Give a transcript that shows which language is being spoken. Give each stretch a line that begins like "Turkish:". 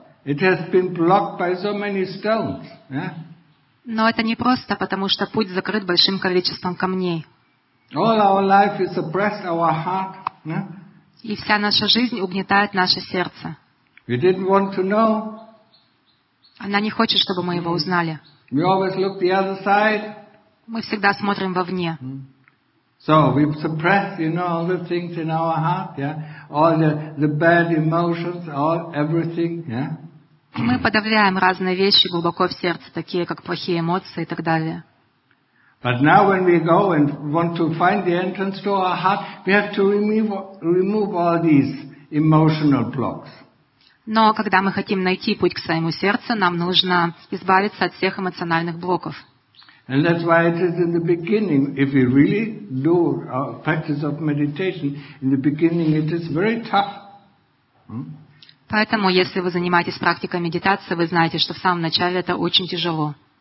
English: It has been blocked by so many stones.
Russian: Но это не просто, потому что путь закрыт большим количеством камней.
English: All our life is oppressed our heart.
Russian: И вся наша жизнь угнетает наше сердце.
English: We didn't want to know.
Russian: Она не хочет, чтобы мы его узнали.
English: We always look the other side.
Russian: Мы всегда смотрим вовне.
English: So we suppress, you know, all the things in our heart, yeah? All the bad emotions, all everything, yeah?
Russian: Мы подавляем разные вещи глубоко в сердце, такие как плохие эмоции и так далее.
English: But now when we go and want to find the entrance to our heart, we have to remove all these emotional blocks.
Russian: Но когда мы хотим найти путь к своему сердцу, нам нужно избавиться от всех эмоциональных блоков.
English: And that's why it is in the beginning, if we really do our practice of meditation, in the beginning it is very tough.
Russian: Поэтому, если вы занимаетесь практикой медитации, вы знаете, что в самом начале это очень тяжело.